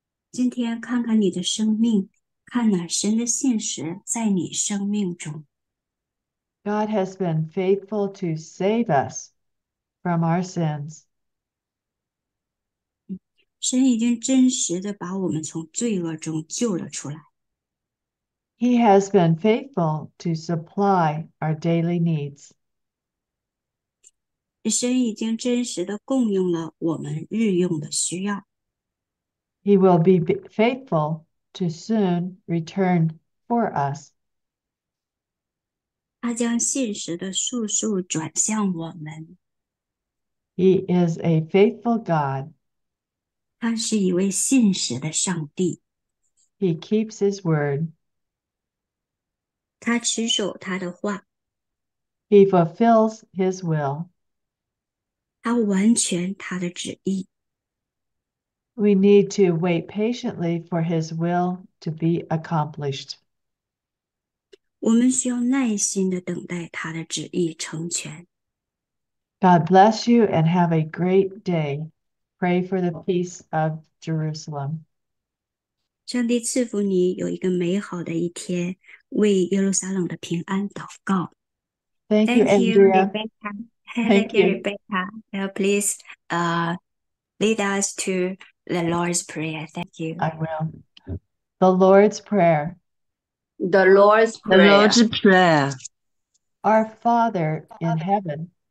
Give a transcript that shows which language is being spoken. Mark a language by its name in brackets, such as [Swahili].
[Chinese] 今天看看你的生命，看那神的现实在你生命中。 [English] God has been faithful to save us from our sins. [Chinese] 神已经真实的把我们从罪恶中救了出来。 [English] He has been faithful to supply our daily needs. [Chinese] 神已经真实的供应了我们日用的需要。 [English] He will be faithful to soon return for us. [Chinese] 他将信实的速速转向我们。 [English] He is a faithful God. [Chinese] 他是一位信实的上帝。 [English] He keeps his word. [Chinese] 他持守他的话。 [English] He fulfills his will. [Chinese] 他完全他的旨意。 [English] We need to wait patiently for his will to be accomplished. [Chinese] 我们需要耐心的等待他的旨意成全。 [English] God bless you and have a great day. Pray for the peace of Jerusalem. [Chinese] 上帝赐福你有一个美好的一天，为耶路撒冷的平安祷告。 [English] Thank you, Thank you, Andrea. Rebecca. Thank Thank you, you. Rebecca. Now, please lead us to the Lord's Prayer. Thank you. I will. The Lord's Prayer. The Lord's The Prayer. Lord's Prayer. Our Father in heaven.